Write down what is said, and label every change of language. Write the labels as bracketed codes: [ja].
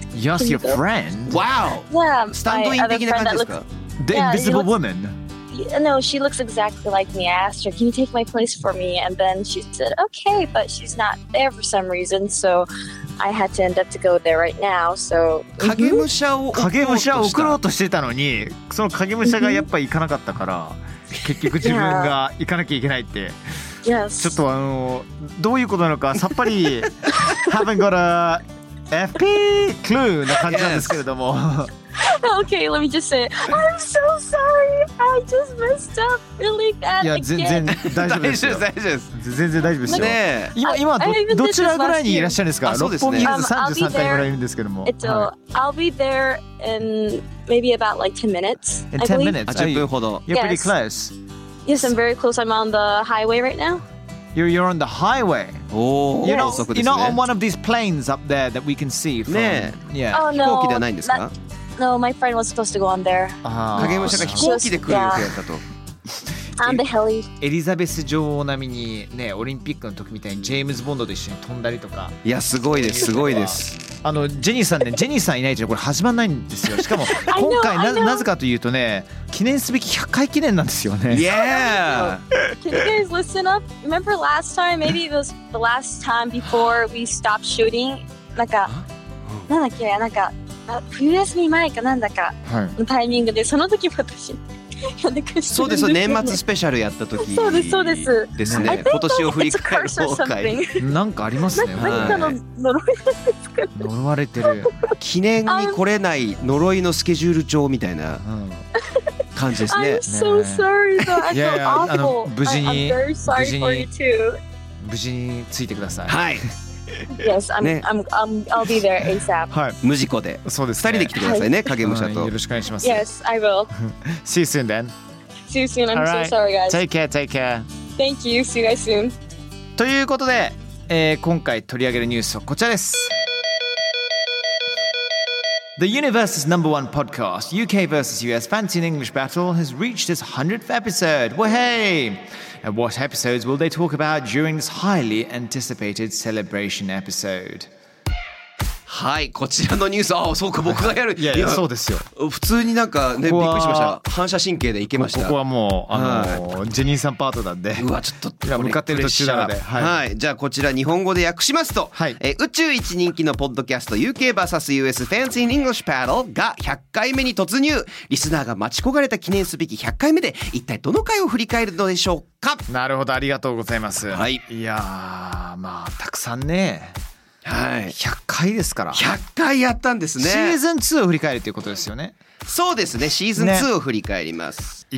[en] Yes, your friend. Wow. Yeah. Standing in the kind of the invisible woman. No, she looks exactly like me. I asked her, "Can you take my place for me?" And then she said, "Okay," but she's not there for some reason. So I had to end up to go there right now. So. [ja] 影武者を影武者を送ろうとしてたのに、その影武者がやっぱり行かなかったから、結局自分が行かなきゃいけないって。 [en] Yes. [ja] ちょっとどういうことなのかさっぱり。 [en] Haven't got a. FP clue [ja] な感じなんですけれども、 [en] yes. Okay, let me just say I'm so sorry. I just messed up really bad. [ja] いや全然大丈夫ですよ。大丈夫です。全然大丈夫ですよ。ね、今 どちらぐらいにいらっしゃるんですか。六本木ヒルズ33階ぐらいいるんですけども。 [en] はい、I'll be there in maybe about like 10 minutes. In 10 minutes, [ja] 10分ほど。 [en] You're pretty close. Yes, I'm very close. I'm on the highway right now. You're on the highway. Oh, you're not, yes. You're not on one of these planes up there that we can see from. Yeah. Yeah. Oh, no. [ja] 飛行機ではないんですか? [en] No, my friend was supposed to go on there. Ah. [ja] 影武者が飛行機で来る予定だったと。 [en] On the heli. [ja] エリザベス女王並みにね、オリンピックの時みたいにジェームズ・ボンドと一緒に飛んだりとか。いや、すごいです、すごいです。ジェニーさんね、ジェニーさんいないとこれ始まんないんですよ。しかも今回 [en] I know, I know. [ja] なぜかというとね、記念すべき100回記念なんですよね。 [en] Yeah! Can you guys listen up? Remember last time? Maybe it was the last time before we stopped shooting? [ja] なんか、なんだっけ、なんか、冬休み前かなんだかのタイミングで、その時も私。そうです、年末スペシャルやった時そうです、そうですですね、今年を振り返る崩壊なんかありますね、はい、何かの呪い呪われてる記念に来れない呪いのスケジュール帳みたいな感じですね [en] I'm so sorry though, I feel awful [ja] 無事に [en] I'm very sorry for you too [ja] 無事についてください、はい [en] Yes, I'm,、ね、I'll be there ASAP. [ja] はい、無事故で。そうですね。2人で来てくださいね、影武者と。よろしくお願いします。 [en] Yes, I will. See you soon then. See you soon, I'm、All、so right. sorry guys. Take care, take care. Thank you, see you guys soon. [ja] ということで、今回取り上げるニュースはこちらです。 [en] The universe's number one podcast, UK vs. US Fancy and English Battle, has reached its 100th episode. Wahey! And what episodes will they talk about during this highly anticipated celebration episode? [ja] はい、こちらのニュース、あ、そうか、僕がやる。いやいや、そうですよ。普通になんかね、ここびっくりしました。反射神経でいけました。ここはもう、ジェニーさんパートなんで。うわ、ちょっと、いや、向かってる途中なので。はい、はい、じゃあこちら、日本語で訳しますと、はい、宇宙一人気のポッドキャスト、UK vs. US Fancy in English Paddle が100回目に突入。リスナーが待ち焦がれた記念すべき100回目で、一体どの回を振り返るのでしょうか。なるほど、ありがとうございます。はい、いやー、まあ、たくさんね。はい、 100回ですから。 100回やったんですね。シーズン2を振り返るということですよね。そうですね、シーズン2を振り返ります、ね、